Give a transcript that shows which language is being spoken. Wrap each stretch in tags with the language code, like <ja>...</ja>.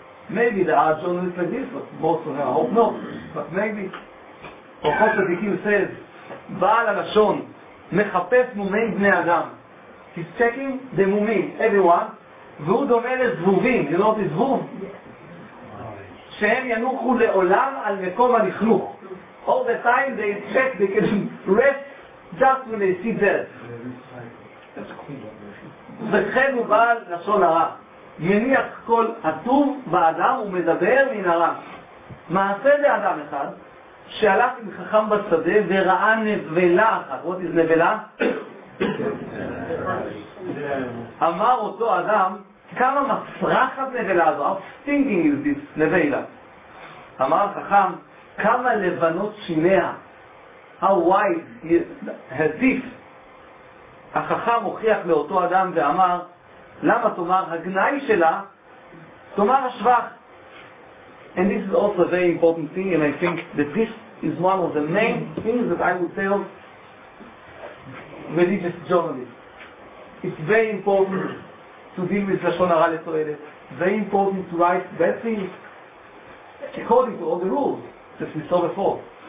<en>Maybe there are journalists like this, but most of them, I hope not. But maybe Orchot Tzadikim says, Baal Lashon</en> <he>מחפש מומי בני אדם.</he> <en>He's checking the מומים, everyone,</en> <he>והוא דומה לזבובים,</he> <en>you know what is זבוב?</en> <he>שהם ינוחו לעולם על מקום הנכנוך.</he> <en>All the time they check, they can rest just when they see that.</en> <he>וכן הוא בעל לשון הרע. מניח כל הטוב באדם ומדבר מן הרע. מעשה זה אדם אחד, שהלך עם חכם בשדה וראה נבלה אחת. עוד איזה נבלה? אמר אותו אדם, כמה מסרחת נבלה הזו?</he> <en>How stinging is this נבלה?</en> <he>אמר החכם, כמה לבנות שיניה?</he> <en>How white her teeth?</en> <he>החכם הוכיח לאותו אדם ואמר, למה תאמר הגנאי שלה? תאמר השבח.</he> <en>And this is also a very important thing, and I think that this is one of the main things that I would tell religious journalists. It's very important to deal with Lashon Hara le'Tu'emet. Very important to write bad things according to all the rules that we saw before.</en>